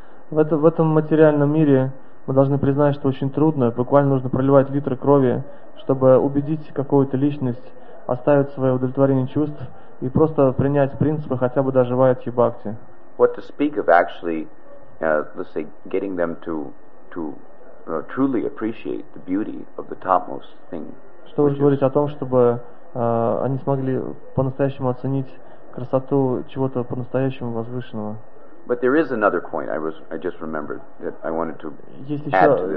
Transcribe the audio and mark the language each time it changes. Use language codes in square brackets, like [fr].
[ru] В этом материальном мире мы должны признать, что очень трудно, буквально нужно проливать литры крови, чтобы убедить какую-то личность оставить свое удовлетворение чувств и просто принять принципы хотя бы даже Вайдхи Бхакти. [en] What to speak of actually, let's say, getting them to truly appreciate the beauty of the topmost thing. [ru] Что уж говорить о том, чтобы они смогли по-настоящему оценить красоту чего-то по-настоящему возвышенного. [en] But there is another point I just remembered that I wanted to add to this.